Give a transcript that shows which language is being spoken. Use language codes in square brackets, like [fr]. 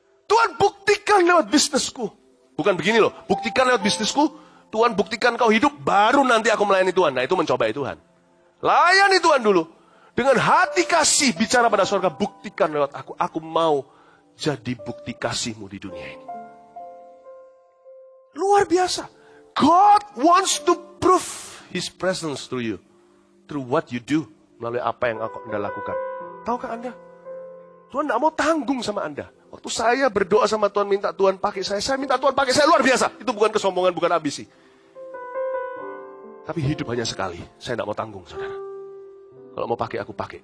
[id] Tuhan buktikan lewat bisnisku. Bukan begini loh, buktikan lewat bisnisku. Tuhan buktikan kau hidup, baru nanti aku melayani Tuhan. Nah itu mencobai Tuhan. Layani Tuhan dulu. Dengan hati kasih bicara pada surga, buktikan lewat aku. Aku mau jadi bukti kasihmu di dunia ini. Luar biasa. [en] God wants to prove his presence through you. Through what you do. [id] Melalui apa yang Anda lakukan. Tahukah Anda? Tuhan tidak mau tanggung sama Anda. Waktu saya berdoa sama Tuhan, minta Tuhan pakai saya minta Tuhan pakai saya luar biasa. Itu bukan kesombongan, bukan ambisi. Tapi hidup hanya sekali. Saya tidak mau tanggung, saudara. Kalau mau pakai, aku pakai.